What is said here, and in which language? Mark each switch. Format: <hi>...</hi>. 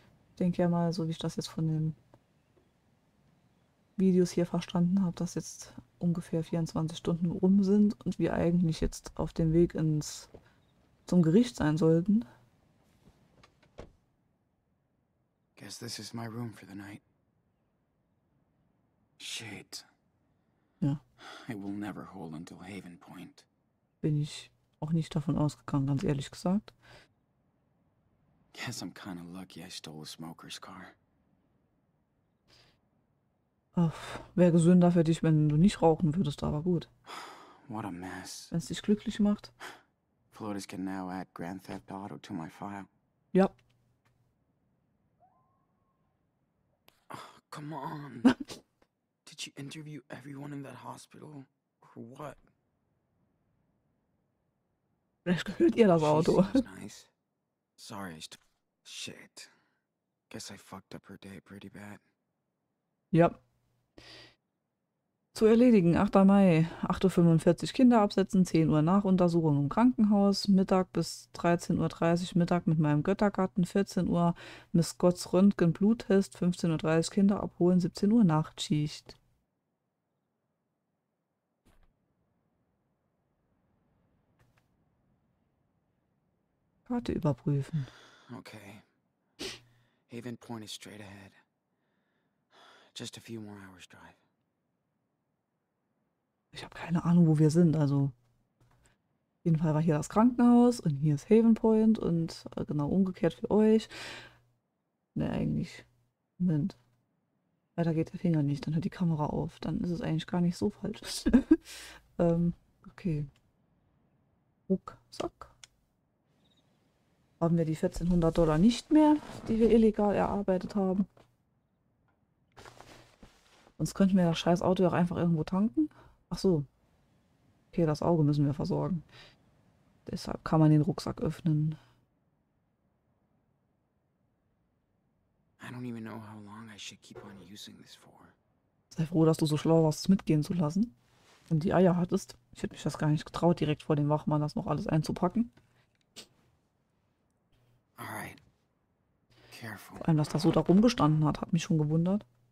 <de>Ich denke ja mal, so wie ich das jetzt von den Videos hier verstanden habe, dass jetzt ungefähr 24 Stunden rum sind und wir eigentlich jetzt auf dem Weg zum Gericht sein sollten.</de> <en>Guess this is my room for the night. Shit. Yeah. I will never hold until Haven Point.</en> <de>Bin ich auch nicht davon ausgegangen, ganz ehrlich gesagt.</de> <en>Guess I'm kind of lucky I stole a smoker's car.</en> <de>Wäre gesünder für dich, wenn du nicht rauchen würdest, aber gut.</de> <en>What a mess.</en> <de>Wenn es dich glücklich macht.</de> <en>Flores can now add Grand Theft Auto to my file.</en> <de>Ja.</de> <en>Oh, come on. Did you interview everyone in that hospital? Or what?</en> <de>Vielleicht gehört ihr das Auto.</de> <en>Nice. Sorry, shit. Guess I fucked up her day pretty bad.</en> <de>Ja. Zu erledigen, 8. Mai, 8.45 Uhr Kinder absetzen, 10 Uhr Nachuntersuchung im Krankenhaus, Mittag bis 13.30 Uhr Mittag mit meinem Göttergarten, 14 Uhr Miss Scotts Röntgen Bluttest, 15.30 Uhr Kinder abholen, 17 Uhr Nachtschicht. Karte überprüfen. Okay.</de> <en>Haven Point is straight ahead. Just a few more hours drive.</en> <de>Ich habe keine Ahnung, wo wir sind. Also, auf jeden Fall war hier das Krankenhaus und hier ist Haven Point und genau umgekehrt für euch. Ne, eigentlich. Moment. Weiter geht der Finger nicht, dann hört die Kamera auf. Dann ist es eigentlich gar nicht so falsch. okay. Rucksack. Haben wir die 1400 Dollar nicht mehr, die wir illegal erarbeitet haben? Sonst könnten wir das scheiß Auto auch einfach irgendwo tanken. Ach so. Okay, das Auge müssen wir versorgen. Deshalb kann man den Rucksack öffnen.</de> <en>I don't even know how long I should keep on using this for.</en> <de>Sei froh, dass du so schlau warst, es mitgehen zu lassen. Und die Eier hattest. Ich hätte mich das gar nicht getraut, direkt vor dem Wachmann das noch alles einzupacken.</de> <en>Alright. Careful.</en> <de>Vor allem, dass das so da rumgestanden hat, hat mich schon gewundert.</de>